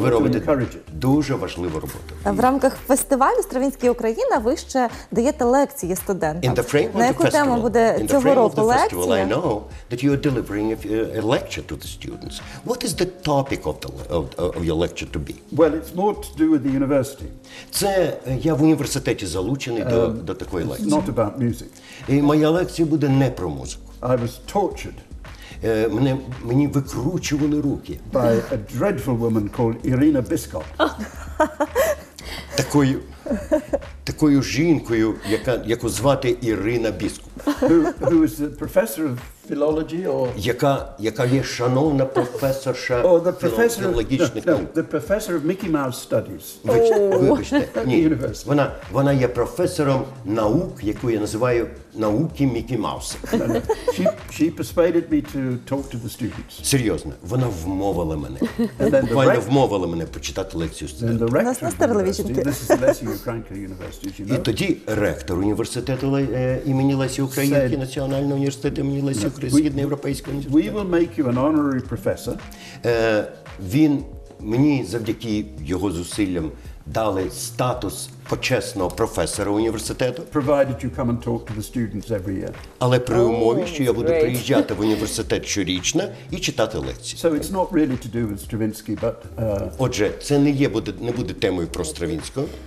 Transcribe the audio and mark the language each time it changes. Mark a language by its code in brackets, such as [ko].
[uk] Ви робите дуже важливу роботу. В рамках фестивалю «Стравінський Україна» ви ще даєте лекції студентам. На яку тему буде цього року лекція? [en] In the framework of the festival, I know that you are delivering a lecture to the students. What is the topic of your lecture to be? Well, it's more to do with the university. [uk] Це я в університеті залучений до такої лекції. [en] It's not about music. [uk] І моя лекція буде не про музику. [en] I was tortured. [uk] Мені викручували руки. [en] By a dreadful woman called Irina Biskop. [uk] Такою такою жінкою, яку звати Ірина Біскуп. [en] Who is the professor of philology or... [uk] Яка є шановна професорша філологічних наук. [en] The professor of Mickey Mouse studies. [uk] Вибачте, ні. Вона є професором наук, яку я називаю науки Мікі Мауса. [en] She persuaded me to talk to the students. [uk] Серйозно, вона вмовила мене. Буквально вмовила мене почитати лекцію студентам. [en] This is the Lesi Ukrainka University, you know. [uk] І тоді ректор університету імені Лесі Українки, Національного університету імені Лесі Східної Європейської університету. [en] We will make you an honorary professor. [uk] Він мені завдяки його зусиллям дали статус почесного професора університету. [en] Provided you come and talk to the students every year. [uk] Але при умові, що я буду приїжджати в університет щорічно і читати лекції. [en] So it's not really to do with Stravinsky, but... [uk] Отже, це не буде темою про Стравінського.